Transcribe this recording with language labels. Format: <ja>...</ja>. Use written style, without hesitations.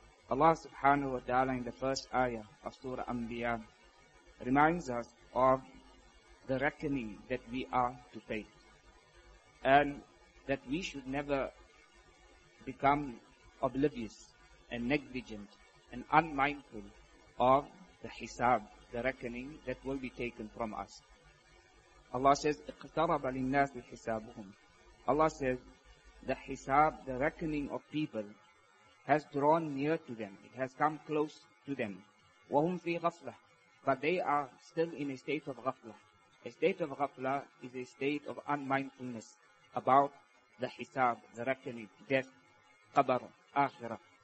<en>Allah subhanahu wa ta'ala in the first ayah of Surah Anbiya reminds us of the reckoning that we are to face, and that we should never become oblivious and negligent and unmindful of the hisab, the reckoning that will be taken from us. Allah says,</en> <ar>اقترب للناس حسابهم.</ar> <en>Allah says, the hisab, the reckoning of people, has drawn near to them. It has come close to them.</en> <ar>وَهُمْ فِي غَفْلَةٍ.</ar> <en>But they are still in a state of ghafla. A state of ghafla is a state of unmindfulness about the hisab, the reckoning, death, qabr, akhirah.</en>